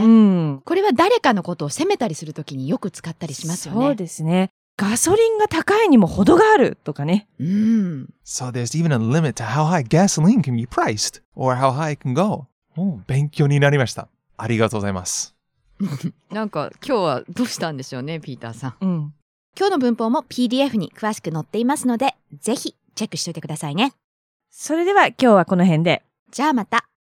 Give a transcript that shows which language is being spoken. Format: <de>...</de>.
<ja>うん。これは誰かのことを責めたりするときによく使ったりしますよね。そうですね。ガソリンが高いにも程があるとかね。うん。</ja> <en>So there's even a limit to how high gasoline can be priced or how high it can go.</en> <ja>Oh, 勉強になりました。ありがとうございます。なんか今日はどうしたんでしょうね、ピーターさん。うん。今日の文法も PDF に詳しく載っていますので、ぜひチェックしておいてくださいね。それでは今日はこの辺で。じゃあまた。</ja>